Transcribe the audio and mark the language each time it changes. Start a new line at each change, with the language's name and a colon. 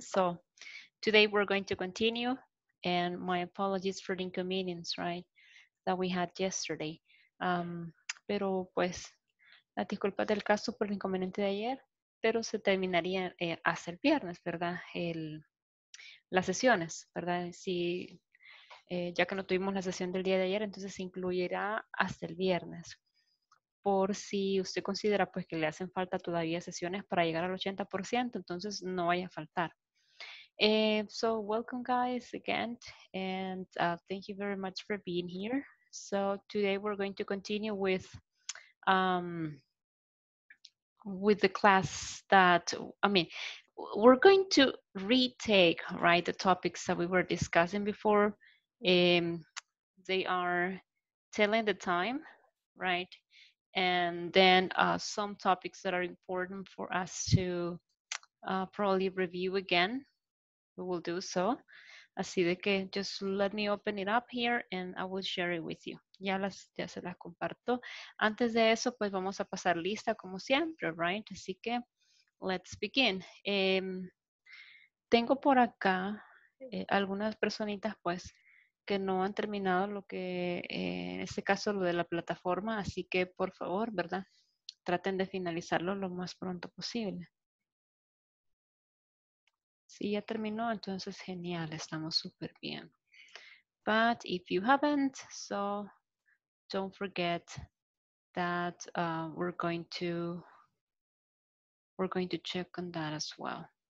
English: So today we're going to continue and my apologies for the inconvenience, right, that we had yesterday.
Spanish: Pero pues, la disculpa del caso por el inconveniente de ayer, pero se terminaría hasta el viernes, ¿verdad? Las sesiones, ¿verdad? Si, ya que no tuvimos la sesión del día de ayer, entonces se incluirá hasta el viernes. Por si usted considera pues que le hacen falta todavía sesiones para llegar al 80%, entonces no vaya a faltar.
English: So welcome guys again and thank you very much for being here. So today we're going to continue with the class that, I mean, we're going to retake, right, the topics that we were discussing before. They are telling the time, right? And then some topics that are important for us to probably review again, we will do so.
Spanish: Así de que
English: just let me open it up here and I will share it with you.
Spanish: Ya se las comparto. Antes de eso, pues vamos a pasar lista como siempre, right? Así que
English: let's begin.
Spanish: Tengo por acá algunas personitas, pues, que no han terminado lo que, en este caso, lo de la plataforma. Así que, por favor, ¿verdad? Traten de finalizarlo lo más pronto posible. Si ya terminó, entonces, genial, estamos súper bien.
English: But if you haven't, so don't forget that we're going to check on that as well.